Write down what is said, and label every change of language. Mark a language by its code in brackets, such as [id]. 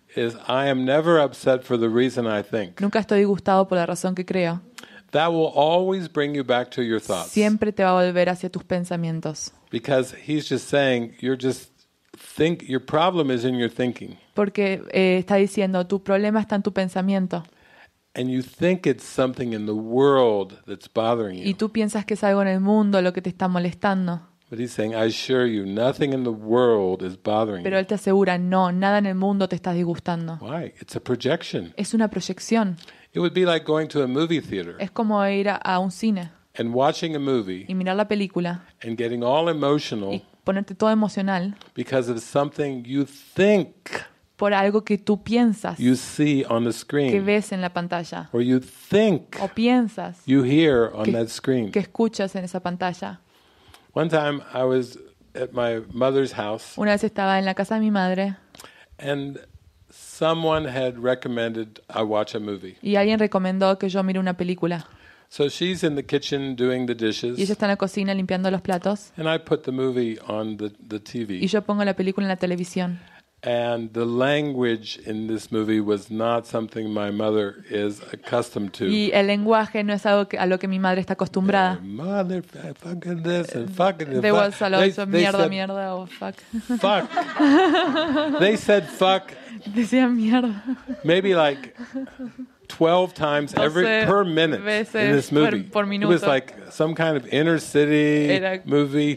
[en] Is I am never upset for the reason I think. [es] Nunca estoy disgustado por la razón que creo. [en] That will always bring you back to your thoughts. [es] Siempre te va a volver hacia tus pensamientos. [en] Because he's just saying you're just think your problem is in your thinking. [es] Porque está diciendo tu problema está en tu pensamiento. [en] And you think it's something in the world that's bothering you. [es] Y tú piensas que es algo en el mundo lo que te está molestando. [en] But he's saying, I assure you, nothing in the world is bothering you. [es] Pero él te asegura, no, nada en el mundo te está disgustando. [en] Why? It's a projection. [es] Es una proyección. [en] It would be like going to a movie theater. [es] Es como ir a un cine. [en] and watching a movie [es] y mirar la película [en] and getting all emotional [es] y ponerte todo emocional [en] because of something you think [es] por algo que tú piensas [en] you see on the screen [es] que ves en la pantalla [en] or you think [es] o piensas [en] you hear on that screen [es] que escuchas en esa pantalla. [en] One time I was at my mother's house. [es] Una vez estaba en la casa de mi madre. [en] And someone had recommended I watch a movie. [es] Y alguien recomendó que yo mire una película. [en] So she's in the kitchen doing the dishes. [es] Y ella está en la cocina limpiando los platos. [en] And I put the movie on the TV. [es] Y yo pongo la película en la televisión. [en] And the language in this movie was not something my mother is accustomed to. [es] Y el lenguaje no es algo a lo que mi madre está acostumbrada. [en] Mother, fucking this and fucking this. They were all saying mierda, mierda, oh fuck. Fuck. They said fuck. [es] Decían mierda. [en] Maybe like 12 times every per minute in this movie. [es] Por minuto. [en] It was like some kind of inner city movie.